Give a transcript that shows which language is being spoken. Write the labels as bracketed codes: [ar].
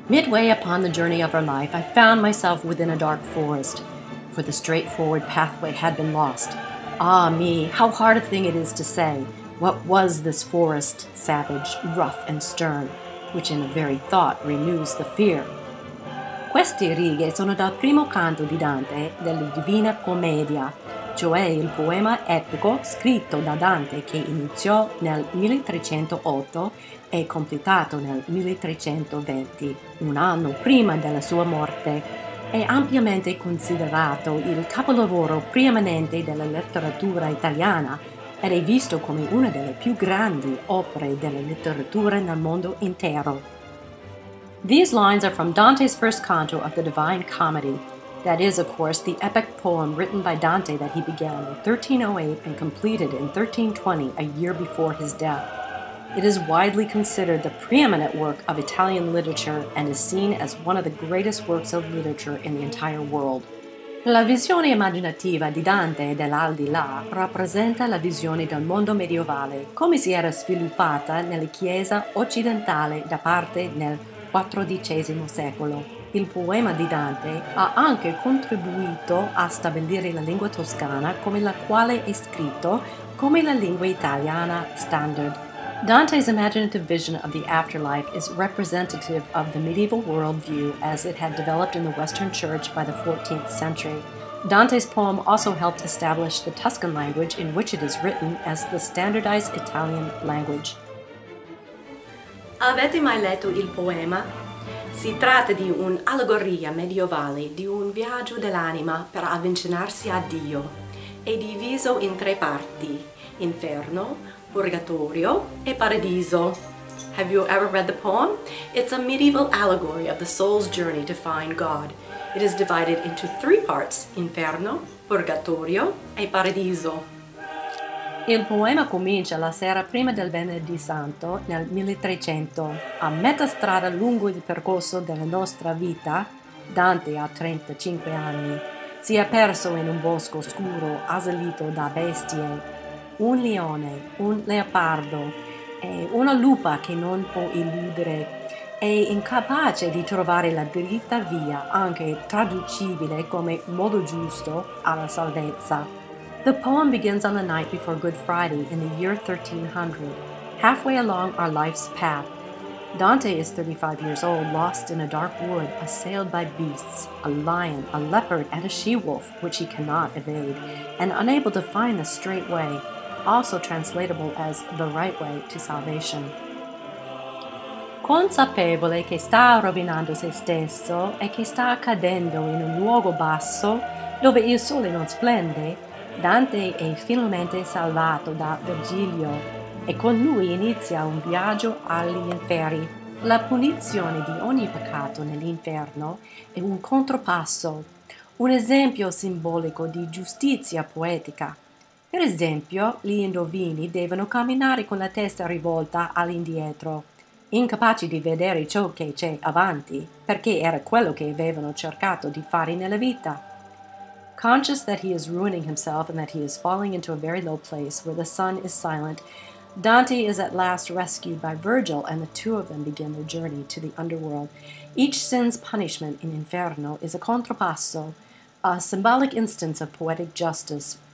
[en] Midway upon the journey of our life, I found myself within a dark forest, for the straightforward pathway had been lost. Ah me, how hard a thing it is to say, what was this forest, savage, rough, and stern, which in a very thought renews the fear. [it] Queste righe sono dal primo canto di Dante della Divina Commedia, cioè il poema epico scritto da Dante che iniziò nel 1308 e completato nel 1320, un anno prima della sua morte. È ampiamente considerato il capolavoro preeminente della letteratura italiana ed è visto come una delle più grandi opere della letteratura nel mondo intero. [en] These lines are from Dante's first canto of the Divine Comedy. That is, of course, the epic poem written by Dante that he began in 1308 and completed in 1320, a year before his death. It is widely considered the preeminent work of Italian literature and is seen as one of the greatest works of literature in the entire world. [it] La visione immaginativa di Dante dell'aldilà rappresenta la visione del mondo medievale, come si era sviluppata nella Chiesa occidentale da parte nel XIV secolo. Il poema di Dante ha anche contribuito a stabilire la lingua toscana come la quale è scritto, come la lingua italiana standard. [en] Dante's imaginative vision of the afterlife is representative of the medieval worldview as it had developed in the Western Church by the 14th century. Dante's poem also helped establish the Tuscan language in which it is written as the standardized Italian language. [it] Avete mai letto il poema? Si tratta di un'allegoria medievale di un viaggio dell'anima per avvicinarsi a Dio. È diviso in tre parti: inferno, purgatorio e paradiso. [en] Have you ever read the poem? It's a medieval allegory of the soul's journey to find God. It is divided into three parts: [it] inferno, purgatorio e paradiso. Il poema comincia la sera prima del Venerdì Santo nel 1300. A metà strada lungo il percorso della nostra vita, Dante ha 35 anni, si è perso in un bosco scuro asalito da bestie. Un leone, un leopardo e una lupa che non può eludere. È incapace di trovare la dritta via, anche traducibile come modo giusto alla salvezza. [en] The poem begins on the night before Good Friday in the year 1300, halfway along our life's path. Dante is 35 years old, lost in a dark wood, assailed by beasts, a lion, a leopard, and a she-wolf, which he cannot evade, and unable to find the straight way, also translatable as the right way to salvation. [it] Consapevole che sta rovinando se stesso e che sta cadendo in un luogo basso dove il sole non splende, Dante è finalmente salvato da Virgilio e con lui inizia un viaggio agli inferi. La punizione di ogni peccato nell'inferno è un contropasso, un esempio simbolico di giustizia poetica. Per esempio, gli indovini devono camminare con la testa rivolta all'indietro, incapaci di vedere ciò che c'è avanti, perché era quello che avevano cercato di fare nella vita. [en] Conscious that he is ruining himself and that he is falling into a very low place where the sun is silent, Dante is at last rescued by Virgil and the two of them begin their journey to the underworld. Each sin's punishment in Inferno is a contrapasso, a symbolic instance of poetic justice.